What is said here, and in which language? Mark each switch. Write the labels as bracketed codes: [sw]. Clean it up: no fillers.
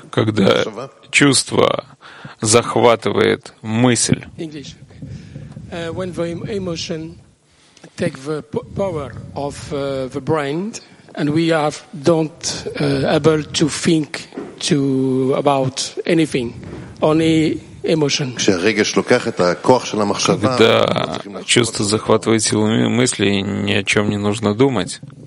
[ru] Когда чувство захватывает мысль. [en] English. When the emotion take the power of the brain, and we have don't able to think to about anything, only emotion. [ru] Когда чувство захватывает силу мысли, ни о чем не нужно думать.